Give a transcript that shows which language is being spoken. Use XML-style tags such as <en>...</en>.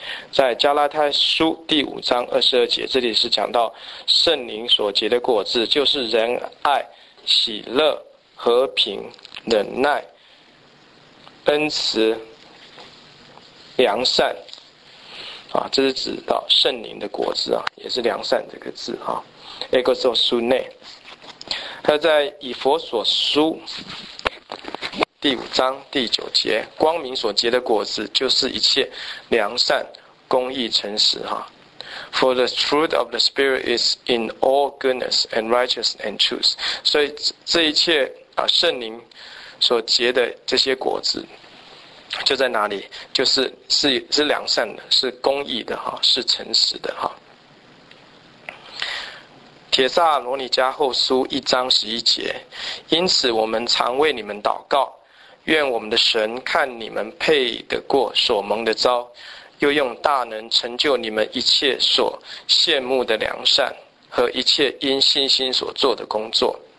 <zh>在加拉太书第5:22，这里是讲到圣灵所结的果子，就是仁爱、喜乐、和平、忍耐、恩慈、良善啊，这是指到圣灵的果子啊，也是良善这个字哈。</zh> <el>Agathosune。</el> <zh>他在以弗所书第5:9，光明所结的果子就是一切良善、公义、诚实。</zh> <en>For the fruit of the Spirit is in all goodness and righteousness and truth.</en> <zh>所以这一切圣灵所结的这些果子就在哪里？就是 是良善的，是公义的，是诚实的。帖撒罗尼迦后书1:11，因此我们常为你们祷告，愿我们的神看你们配得过所蒙的召，又用大能成就你们一切所羡慕的良善和一切因信心所做的工作。</zh>